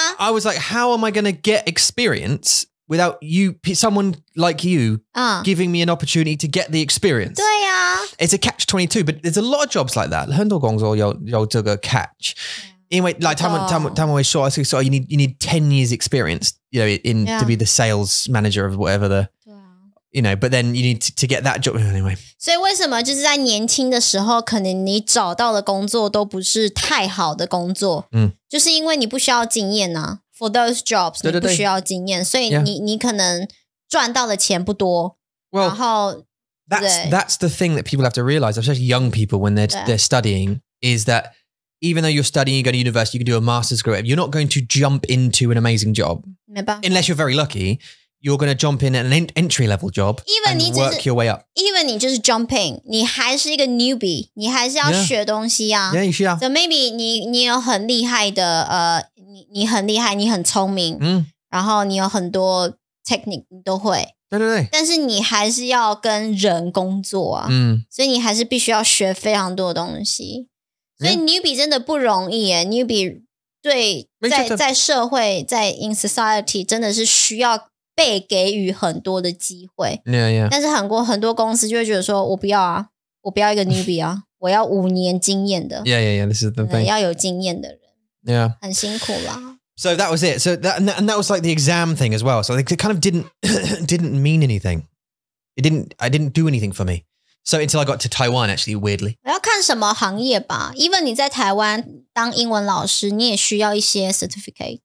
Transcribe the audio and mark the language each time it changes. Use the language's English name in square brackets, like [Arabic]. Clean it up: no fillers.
[English] I was like, how am I going to get experience without you, someone like you, giving me an opportunity to get the experience. [Chinese] 对呀。 [English] It's a catch 22, but there's a lot of jobs like that. [Chinese] 很多工作有这个 catch. 因为 [English] like [Chinese] 他们会说, [English] so you need 10 years experience, you know, in, to be the sales manager of whatever the... You know, but then you need to get that job anyway. [Chinese] 所以为什么就是在年轻的时候，可能你找到的工作都不是太好的工作，就是因为你不需要经验啊。 [English] For those jobs, [Chinese] 对对对你不需要经验，所以你、yeah. 你可能赚到的钱不多。 [English] Well, [Chinese] 然后 [English] that's the thing that people have to realize, especially young people when they're studying, is that even though you're studying, you go to university, you can do a master's degree, you're not going to jump into an amazing job, [Chinese] 没办法 [English] unless you're very lucky. You're going to jump in an entry-level job even and work your way up. Even [Chinese] 你就是 jumping, 你还是一个 newbie, 你还是要学东西啊。 [English] Yeah, yeah, you should. So maybe [Chinese] 你有很厉害的,你很厉害,你很聪明,然后你有很多 technique 你都会。对对对。但是你还是要跟人工作啊。所以你还是必须要学非常多的东西。所以 newbie 真的不容易耶。Newbie 对 在社会,在 [English] in society [Chinese] 真的是需要被给予很多的机会 [English] yeah, yeah. [Chinese] 但是很多公司就会觉得说我不要啊我不要一个 newbie 啊我要五年经验的 [English] Yeah, yeah, yeah, this is the thing [Chinese] 要有经验的人 [English] Yeah [Chinese] 很辛苦啦 [English] So that was it, so that, and that was like the exam thing as well So it kind of didn't mean anything I didn't do anything for me So until I got to Taiwan actually, weirdly [Chinese] 要看什么行业吧 [English] Even [Chinese] 你在台湾当英文老师你也需要一些 certificate